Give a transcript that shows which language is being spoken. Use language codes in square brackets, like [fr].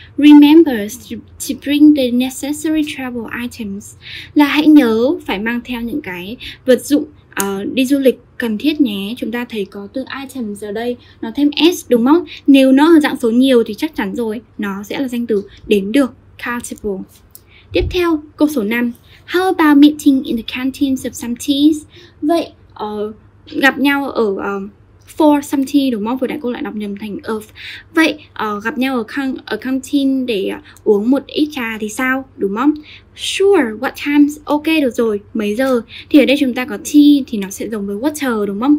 [en] Remember to bring the necessary travel items. [vi] Là hãy nhớ phải mang theo những cái vật dụng đi du lịch cần thiết nhé. Chúng ta thấy có từ items ở đây, nó thêm S, đúng không? Nếu nó ở dạng số nhiều thì chắc chắn rồi, nó sẽ là danh từ đếm được, countable. Tiếp theo câu số 5. [en] How about meeting in the canteen of some teas? [vi] Vậy gặp nhau ở [en] for some tea, [vi] đúng không? Vừa nãy cô lại đọc nhầm thành of. Vậy gặp nhau ở canteen để uống một ít trà thì sao, đúng không? [en] Sure, what times? [vi] Ok, được rồi, mấy giờ? Thì ở đây chúng ta có tea thì nó sẽ giống với water, đúng không?